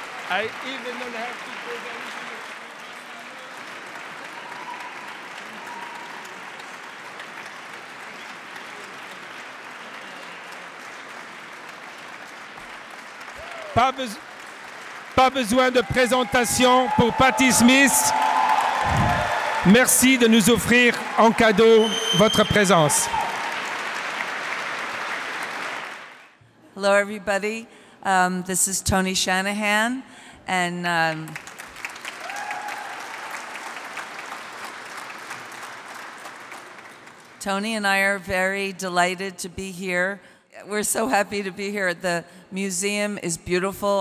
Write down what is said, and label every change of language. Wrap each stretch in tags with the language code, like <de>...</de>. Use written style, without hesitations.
<en>I even don't have to go down here.</en> <fr>Pas besoin de présentation pour Patti Smith. Merci de nous offrir en cadeau votre présence.</fr> <en>Hello, everybody. This is Tony Shanahan, and Tony and I are very delighted to be here. We're so happy to be here. The museum is beautiful.</en>